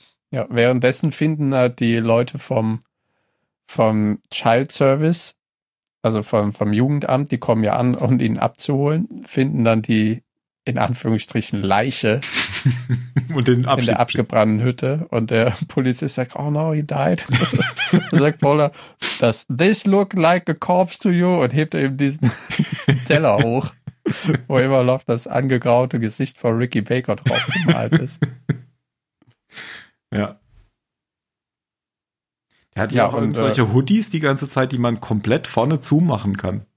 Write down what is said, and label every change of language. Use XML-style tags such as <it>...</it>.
<de>Ja, währenddessen finden halt die Leute vom Child Service, also vom Jugendamt, die kommen ja an, um ihn abzuholen, finden dann die, in Anführungsstrichen, Leiche. Und den in der abgebrannten Hütte. Und der Polizist sagt,</de> <en>oh no, he died.</en> <de>Sagt Paula,</de> <en>does this look like a corpse to you?</en> <de>Und hebt eben diesen Teller hoch, wo immer noch das angegraute Gesicht von Ricky Baker drauf gemalt ist. Ja. Er hat ja auch solche Hoodies die ganze Zeit, die man komplett vorne zumachen kann.</de>